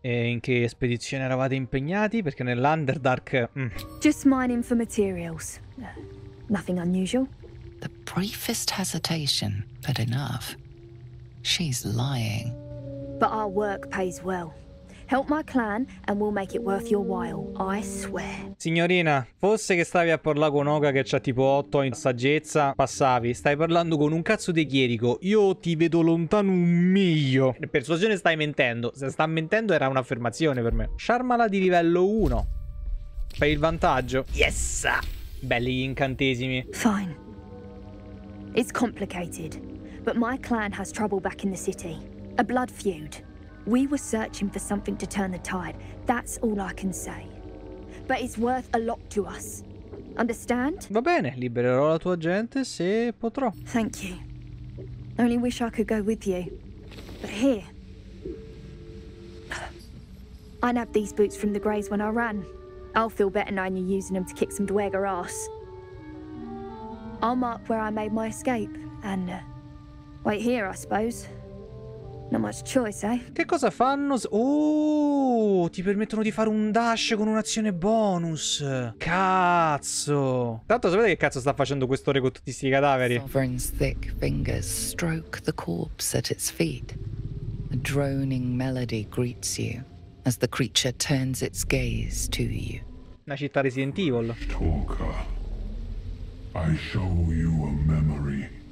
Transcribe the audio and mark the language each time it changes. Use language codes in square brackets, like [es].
[it] E in che spedizione eravate impegnati? Perché nell'Underdark... [en] Just mining for materials. Nothing unusual. The briefest hesitation, but enough. She's lying. But our work pays well. Help my clan and we'll make it worth your while, I swear. [it] Signorina, fosse che stavi a parlare con Oga che c'ha tipo 8 in saggezza, passavi. Stai parlando con un cazzo di chierico. Io ti vedo lontano un miglio. Per persuasione stai mentendo. Se sta mentendo era un'affermazione per me. Sciarmala di livello 1. Fai il vantaggio. [en] Yes! [it] Belli gli incantesimi. [en] Fine. It's complicated. But my clan has trouble back in the city. A blood feud. We were searching for something to turn the tide. That's all I can say. But it's worth a lot to us. Understand? [it] Va bene, libererò la tua gente se potrò. [en] Thank you. Only wish I could go with you. But here. I nabbed these boots from the Greys when I ran. I'll feel better knowing you're using them to kick some Duergar ass. I'll mark where I made my escape and... Wait here, I suppose. Not much choice, eh? [it] Che cosa fanno? Oh, ti permettono di fare un dash con un'azione bonus. Cazzo. Tanto sapete che cazzo sta facendo quest'ore con tutti sti cadaveri? [en] Sovereign's thick fingers stroke the corpse at its feet. A droning melody greets you as the creature turns its gaze to you. [it] Una città Resident Evil. [en] Talker, I show you a memory.